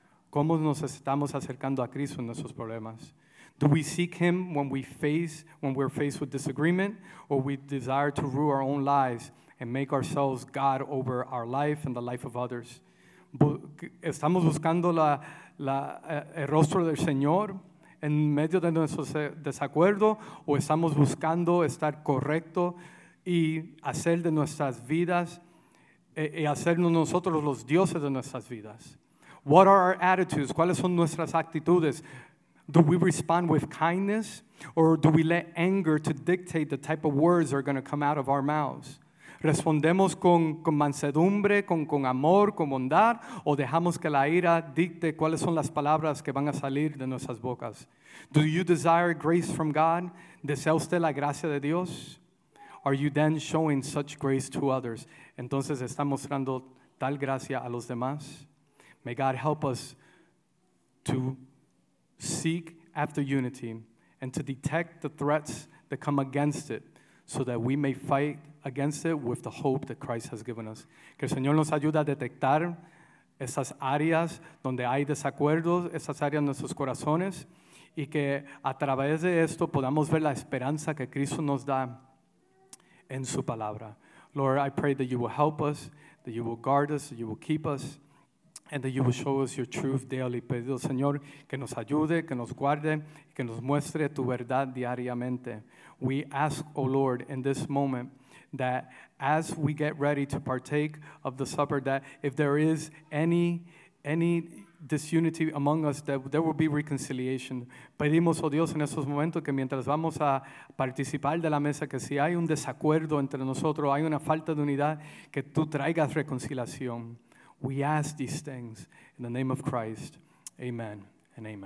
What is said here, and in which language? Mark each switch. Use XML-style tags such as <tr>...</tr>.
<es>¿Cómo nos estamos acercando a Cristo en nuestros problemas?</es> <en>Do we seek him when we're faced with disagreement, or we desire to rule our own lives and make ourselves God over our life and the life of others?</en> <es>¿Estamos buscando el rostro del Señor en medio de nuestro desacuerdo o estamos buscando estar correcto y hacer de nuestras vidas y hacernos nosotros los dioses de nuestras vidas.</es> <en>What are our attitudes?</en> <es>¿Cuáles son nuestras actitudes?</es> <en>Do we respond with kindness or do we let anger to dictate the type of words that are going to come out of our mouths?</en> <es>¿Respondemos con mansedumbre, con amor, con bondad, o dejamos que la ira dicte cuáles son las palabras que van a salir de nuestras bocas?</es> <en>Do you desire grace from God?</en> <es>¿Desea usted la gracia de Dios?</es> <en>Are you then showing such grace to others?</en> <es>Entonces, ¿está mostrando tal gracia a los demás?</es> <en>May God help us to seek after unity and to detect the threats that come against it so that we may fight against it with the hope that Christ has given us.</en> <es>Que el Señor nos ayude a detectar esas áreas donde hay desacuerdos, esas áreas en nuestros corazones, y que a través de esto podamos ver la esperanza que Cristo nos da en su palabra.</es> <en>Lord, I pray that you will help us, that you will guard us, that you will keep us, and that you will show us your truth daily.</en> <es>Pedido, Señor, que nos ayude, que nos guarde, que nos muestre tu verdad diariamente.</es> <en>We ask, O Lord, in this moment, that as we get ready to partake of the supper, that if there is any disunity among us, that there will be reconciliation.</en> <es>Pedimos, oh Dios, en estos momentos que mientras vamos a participar de la mesa, que si hay un desacuerdo entre nosotros, hay una falta de unidad, que tú traigas reconciliación.</es> <en>We ask these things in the name of Christ. Amen and amen.</en>